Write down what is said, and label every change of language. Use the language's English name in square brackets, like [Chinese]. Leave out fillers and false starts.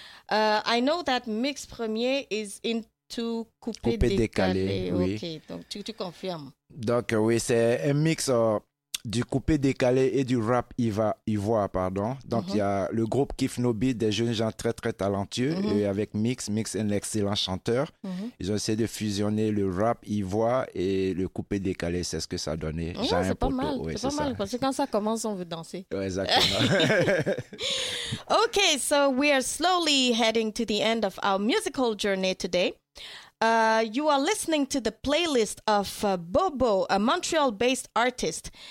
[English] I know that Mix Premier is into coupé-décalé. [French] Oui. Ok, donc tu confirmes. Donc oui, c'est un mix du coupé décalé et du rap ivoire, pardon. Donc il, mm-hmm, y a le groupe Kif No Beat, des jeunes gens très très talentueux, mm-hmm, et avec Mix est un excellent chanteur. Mm-hmm. Ils ont essayé de fusionner le rap ivoire et le coupé décalé, c'est ce que ça donnait. Oh, c'est pas mal, ouais, c'est pas ça. Mal, parce que quand ça commence, on veut danser. Ouais, exactement. [English] Ok, so we are slowly heading to the end of our musical journey today. You are listening to the playlist of Bobo, a Montreal-based artist.